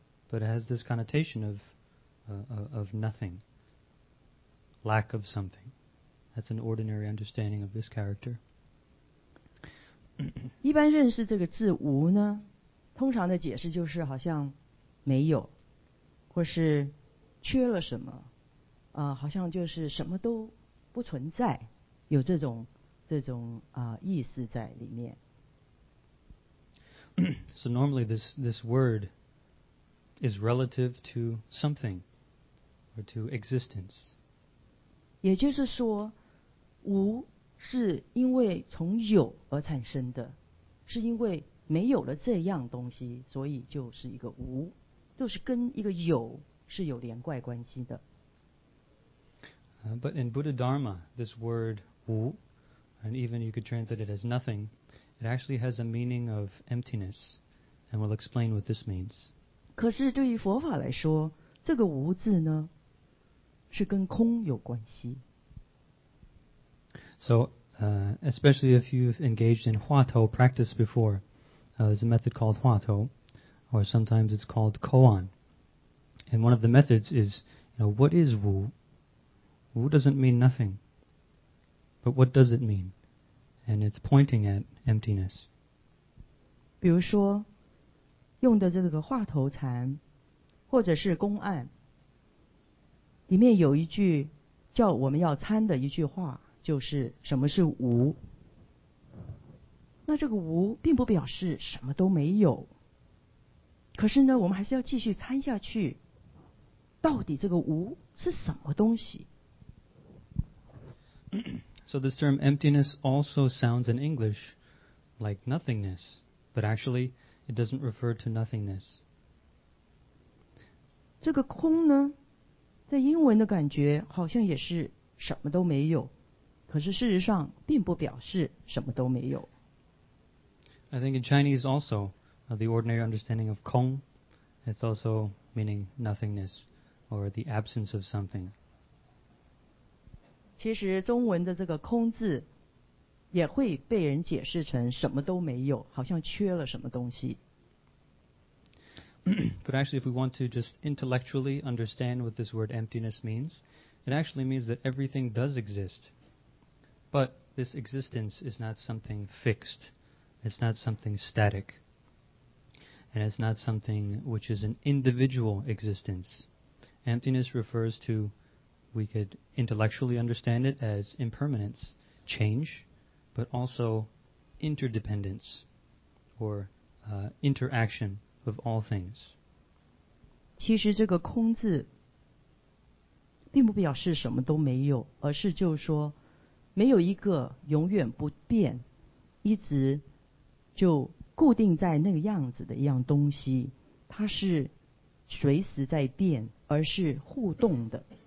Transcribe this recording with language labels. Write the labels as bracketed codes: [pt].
[en] But it has this connotation of nothing, lack of something. That's an ordinary understanding of this character. [zh] 一般认识这个字无呢，通常的解释就是好像没有，或是缺了什么，好像就是什么都不存在，有这种意思在里面。 [en] So normally this word. Is relative to something or to existence. [zh] 也就是说，无是因为从有而产生的，是因为没有了这样东西，所以就是一个无，就是跟一个有是有连贯关系的。 [en] But in Buddha Dharma, this word 无, and even you could translate it as nothing, it actually has a meaning of emptiness, and we'll explain what this means. [zh] 可是对于佛法来说，这个无字呢，是跟空有关系。 [en] So, especially if you've engaged in Hua Tou practice before, there's a method called Hua Tou, or sometimes it's called koan. And one of the methods is, you know, what is wu? Wu doesn't mean nothing. But what does it mean? And it's pointing at emptiness. [zh] 比如说用的这个话头禅或者是公案里面有一句叫我们要参的一句话，就是什么是无。那这个无并不表示什么都没有，可是呢我们还是要继续参下去，到底这个无是什么东西。 [en] So this term emptiness also sounds in English like nothingness, but actually it doesn't refer to nothingness. [zh] 这个空呢在英文的感觉好像也是什么都没有，可是事实上并不表示什么都没有。 [en] I think in Chinese also, the ordinary understanding of kong, it's also meaning nothingness or the absence of something. [zh] 其实中文的这个空字也会被人解释成什么都没有，好像缺了什么东西。 [en] But actually, if we want to just intellectually understand what this word emptiness means, it actually means that everything does exist. But this existence is not something fixed. It's not something static. And it's not something which is an individual existence. Emptiness refers to... We could intellectually understand it as impermanence, change, but also interdependence or interaction of all things. [zh] 其实这个空字并不表示什么都没有，而是就是说没有一个永远不变，一直就固定在那个样子的一样东西，它是随时在变，而是互动的。